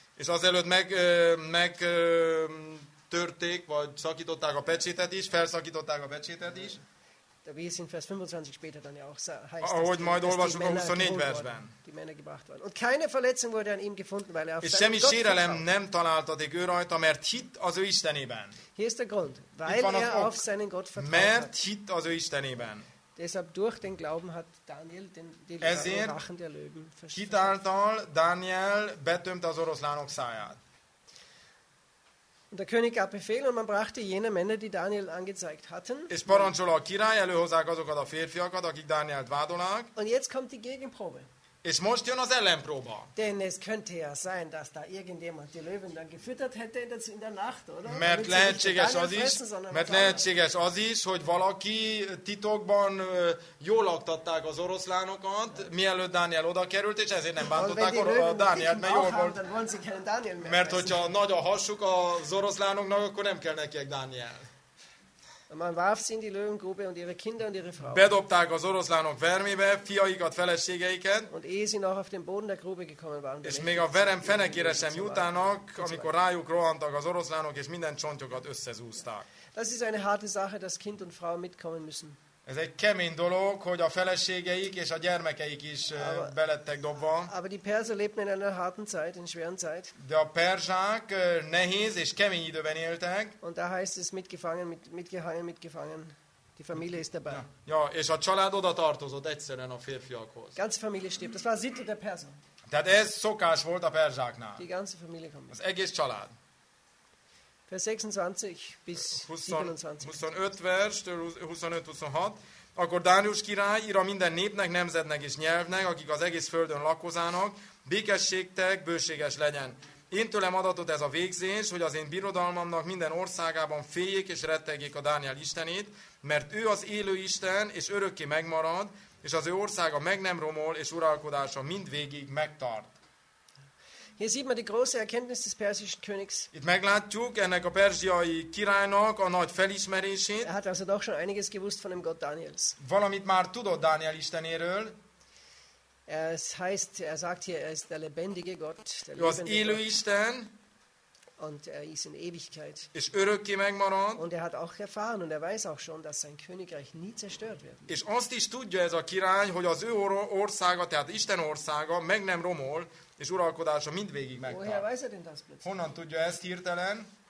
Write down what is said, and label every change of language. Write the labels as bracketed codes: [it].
[hu] És azelőtt meg törték, vagy szakították a pecsétet is, felszakították a pecsétet is. [de] De wie es in Vers 25 später dann ja auch heißt, [hu] ahogy majd olvasunk a 24 versben. [de] Die Männer gebracht worden. Und keine Verletzung wurde an ihm gefunden, weil er auf seinen Gott vertraute. [hu] És semmi sérelem nem találtatik ő rajta, mert hitt az ő Istenében. [de] Hier ist der Grund, weil er auf seinen Gott vertraute. [hu] Mert hitt az ő Istenében. [de] Deshalb durch den Glauben hat Daniel den Rachen der Löwen verschwunden. [hu] Hitt által Daniel betömte az oroszlánok száját. [de] Und der König gab Befehl und man brachte jene Männer, die Daniel angezeigt hatten. [hu] És parancsol a király, előhozzák azokat a férfiakat, akik Dánielt vádolnak. [de] Und jetzt kommt die Gegenprobe. [hu] És most jön az ellenpróba. [de] Denn es könnte ja sein, dass da irgendjemand die Löwen dann gefüttert hätte in der Nacht, oder? [hu] Mert lehetséges az is, hogy valaki titokban jól laktatták az oroszlánokat, mielőtt Dániel oda került, és ezért nem bántották Dánielt, mert jól volt. Mert hogyha nagy a hasuk az oroszlánoknak, akkor nem kell nekiek Dániel. [de] Man warf sie in die Löwengrube und ihre Kinder und ihre Frauen. [hu] Bedobták az oroszlánok vermébe, fiaikat, feleségeiket. [de] Und ehe sie noch auf den Boden der Grube gekommen waren. [hu] És még a verem fenekére sem jutának, amikor rájuk rohantak az oroszlánok, és minden csontjukat összezúzták. [de] Das ist eine harte Sache, dass Kind und Frau mitkommen müssen. [hu] Ez egy kemény dolog, hogy a feleségeik és a gyermekeik is belettek dobva. [de] Aber die Perser lebten in einer harten Zeit, in schweren Zeit. [hu] De a perzsák nehéz és kemény időben éltek. [de] Und da heißt es mitgefangen, mitgehangen, mitgefangen. Die Familie ist dabei. [hu] Ja, ja, és a család oda tartozott egyszerűen a férfiakhoz. [de] Ganze Familie stirbt. Das war Sitte der Perser. [hu] Tehát ez szokás volt a perzsáknál. [de] Die ganze Familie kommt. [hu] Az egész család. [de] Vers 26 bis 27. [hu] 25 verstől 25-26. Akkor Dániel király ír a minden népnek, nemzetnek és nyelvnek, akik az egész földön lakozának, békességtek bőséges legyen. Én tőlem adatot ez a végzés, hogy az én birodalmamnak minden országában féljék és rettegjék a Dániel istenét, mert ő az élő Isten, és örökké megmarad, és az ő országa meg nem romol, és uralkodása mindvégig megtart. [de] Hier sieht man die große Erkenntnis des persischen Königs. [hu] Itt meglátjuk ennek a perzsiai királynak a nagy felismerését. [de] Er hat also doch schon einiges gewusst von dem Gott Daniels. [hu] Valamit már tudott Dániel istenéről. [de] Es heißt, er sagt hier, er ist der lebendige Gott. [hu] Ő az élő Isten. [de] Und er ist in Ewigkeit. [hu] És örökké megmarad. [de] Und er hat auch erfahren und er weiß auch schon, dass sein Königreich nie zerstört wird. [hu] És azt is tudja ez a király, hogy az ő országa, tehát Isten országa meg nem romol, és uralkodása mindvégig megtart. Honnan tudja ezt hirtelen?